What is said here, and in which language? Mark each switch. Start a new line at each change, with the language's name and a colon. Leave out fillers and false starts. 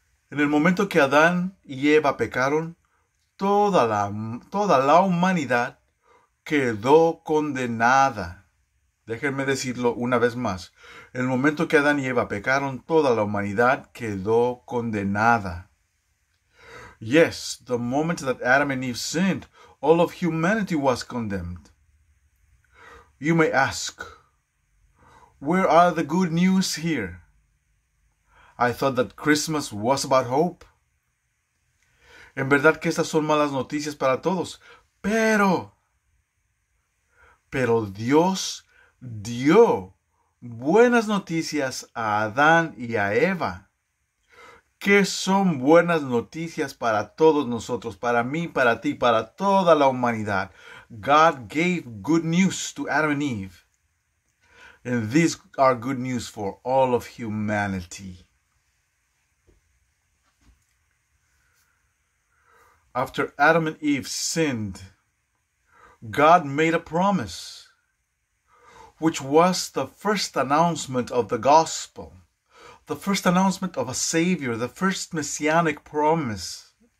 Spanish: En el momento que Adán y Eva pecaron, toda la humanidad quedó condenada. Déjenme decirlo una vez más. En el momento que Adán y Eva pecaron, toda la humanidad quedó condenada.
English: Yes, the moment that Adam and Eve sinned, all of humanity was condemned. You may ask, where are the good news here? I thought that Christmas was about hope.
Spanish: En verdad que estas son malas noticias para todos, pero Dios dio buenas noticias a Adán y a Eva. ¿Qué son buenas noticias para todos nosotros, para mí, para ti, para toda la humanidad?
English: God gave good news to Adam and Eve. And these are good news for all of humanity. After Adam and Eve sinned, God made a promise, which was the first announcement of the gospel, the first announcement of a Savior, the first messianic promise.